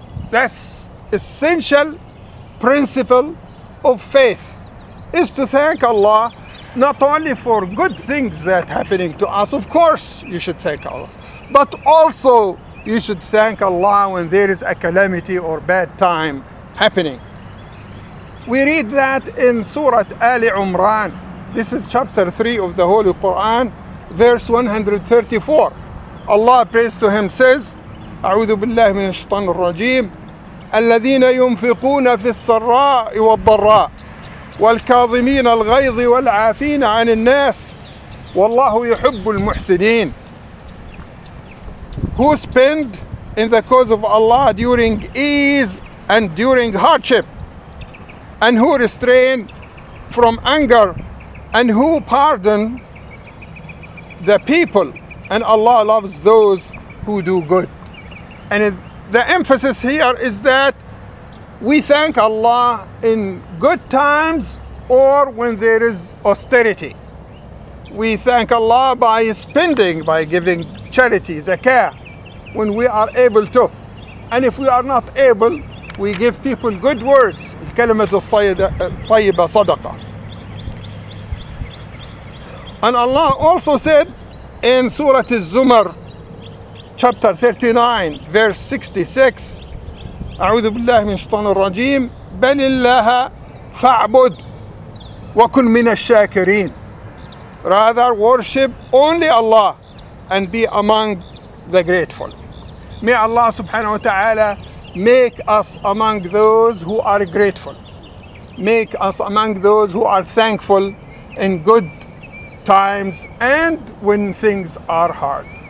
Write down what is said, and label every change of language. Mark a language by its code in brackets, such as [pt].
[en] That's essential principle of faith, is to thank Allah not only for good things that happening to us, of course you should thank Allah, but also you should thank Allah when there is a calamity or bad time happening. We read that in Surah Ali Imran, this is chapter 3 of the Holy Quran, verse 134. Allah prays to Him, says, [ar] أعوذ بالله من الشيطان الرجيم الذين ينفقون في السراء والضراء والكاظمين الغيظ والعافين عن الناس والله يحب المحسنين. [en] Who spend in the cause of Allah during ease and during hardship, and who restrain from anger, and who pardon the people, and Allah loves those who do good. And the emphasis here is that we thank Allah in good times or when there is austerity. We thank Allah by spending, by giving charity, zakah, when we are able to. And if we are not able, we give people good words. [ar] الكلمات الطيبة صدقة. [en] And Allah also said in Surah Az-Zumar, chapter 39, verse 66, [ar] أعوذ بالله من الشيطان الرجيم. بل الله فاعبد وكن من الشاكرين. [en] Rather worship only Allah and be among the grateful. May Allah subhanahu wa ta'ala make us among those who are grateful. Make us among those who are thankful in good times and when things are hard.